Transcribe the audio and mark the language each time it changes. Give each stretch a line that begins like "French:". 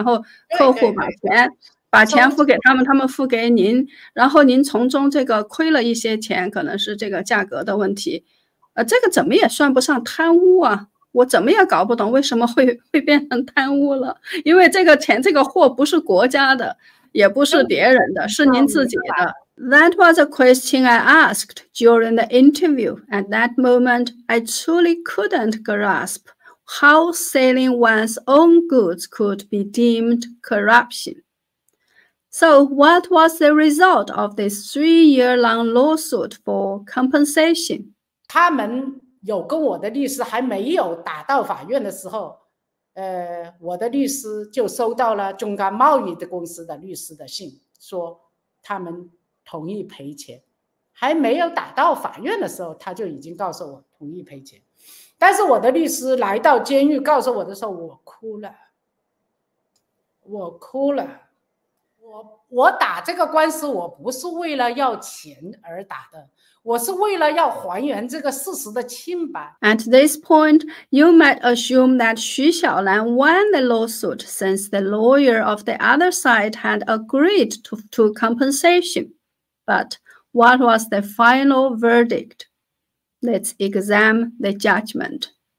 Chinese: 然后客户把钱付给他们，他们付给您，然后您从中这个亏了一些钱，可能是这个价格的问题，这个怎么也算不上贪污啊。我怎么也搞不懂为什么会变成贪污了，因为这个钱这个货不是国家的，也不是别人的，是您自己的。
English: That was a question I asked during the interview. At that moment, I truly couldn't grasp how selling one's own goods could be deemed corruption. So what was the result of this three-year-long lawsuit for compensation?
Chinese: 他们有跟我的律师还没有打到法院的时候，我的律师就收到了中干贸易的公司的律师的信，说他们同意赔钱，还没有打到法院的时候他就已经告诉我同意赔钱。但是我的律师来到监狱告诉我的时候，我哭了。我打这个官司我不是为了要钱而打的，我是为了要还原这个事实的清白。
English: At this point, you might assume that 徐小兰 won the lawsuit since the lawyer of the other side had agreed to compensation. But what was the final verdict? Let's examine the judgment.